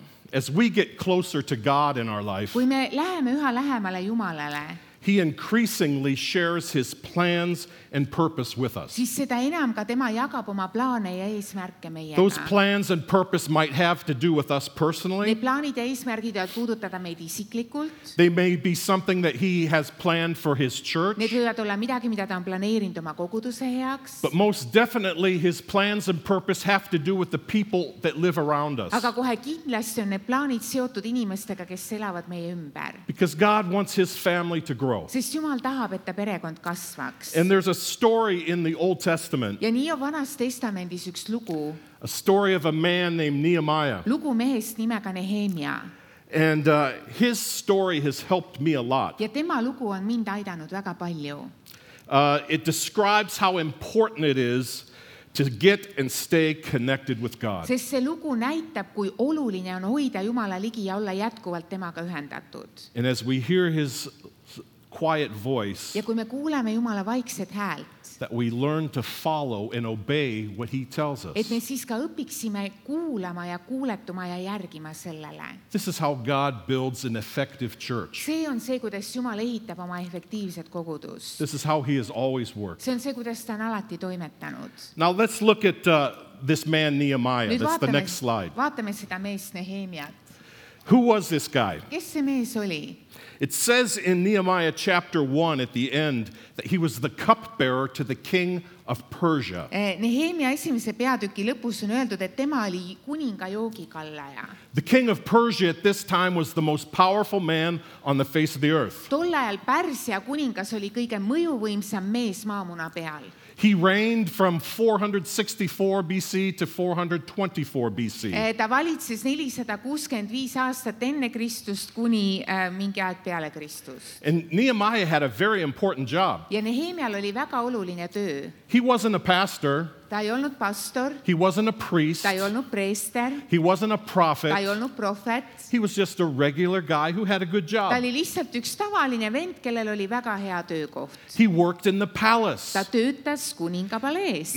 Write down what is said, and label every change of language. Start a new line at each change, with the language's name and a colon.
English: As we get closer to God in our life,
Estonian: kui me läheme üha lähemale Jumalale,
English: he increasingly shares his plans and purpose with us.
Estonian: Siis seda enam ka tema jagab oma plaane ja eesmärke meiega.
English: Those plans and purpose might have to do with us personally.
Estonian: Need plaanid ja eesmärgid võivad puudutada meid isiklikult.
English: They may be something that he has planned for his church.
Estonian: Need võivad olla midagi, mida ta on planeerinud oma koguduse heaks.
English: But most definitely his plans and purpose have to do with the people that live around us.
Estonian: Aga kohe kindlasti on need plaanid seotud inimestega, kes elavad meie ümber.
English: Because God wants his family to grow.
Estonian: Sest Jumal tahab, et ta perekond kasvaks.
English: And there's a story in the Old Testament.
Estonian: Ja nii on Vanas Testamentis üks lugu.
English: A story of a man named Nehemiah.
Estonian: Lugu mehest nimega Nehemia.
English: And his story has helped me a lot.
Estonian: Ja tema lugu on mind aidanud väga palju.
English: It describes how important it is to get and stay connected with God.
Estonian: Sest see lugu näitab, kui oluline on hoida Jumala ligi ja olla jätkuvalt temaga ühendatud.
English: And as we hear his quiet voice.
Estonian: Ja kui me kuuleme Jumala vaikset häält.
English: That we learn to follow and obey what he tells us.
Estonian: Et me siis ka õpiksime kuulama ja kuuletuma ja järgima sellele.
English: This is how God builds an effective church.
Estonian: See on see, kuidas Jumal ehitab oma efektiivset kogudust.
English: This is how he has always worked.
Estonian: See on see, kuidas ta on alati toimetanud.
English: Now let's look at this man Nehemiah.
Estonian: Nüüd
English: that's the next slide.
Estonian: Vaatame seda meest Nehemiat.
English: Who was this guy?
Estonian: Kes see mees oli?
English: It says in Nehemiah chapter 1 at the end that he was the cupbearer to the king of Persia.
Estonian: Nehemia esimese peatüki lõpus on öeldud, et tema oli kuninga joogikallaja.
English: The king of Persia at this time was the most powerful man on the face of the earth.
Estonian: Tol ajal Pärsia kuningas oli kõige mõjuvõimsam mees maamuna peal.
English: He reigned from 464 BC to 424 BC.
Estonian: Ta valitses 465 aastat enne Kristust kuni mingi aeg peale Kristust.
English: And Nehemiah had a very important job.
Estonian: Ja Nehemial oli väga oluline töö.
English: He wasn't a pastor.
Estonian: Ta ei olnut pastor.
English: He wasn't a priest.
Estonian: Ta ei olnut preister.
English: He wasn't a prophet.
Estonian: Ta ei olnut profet.
English: He was just a regular guy who had a good job.
Estonian: Ta oli lihtsalt üks tavaline vent, kellel oli väga hea töökoht.
English: He worked in the palace.
Estonian: Ta töötas kuningapalees.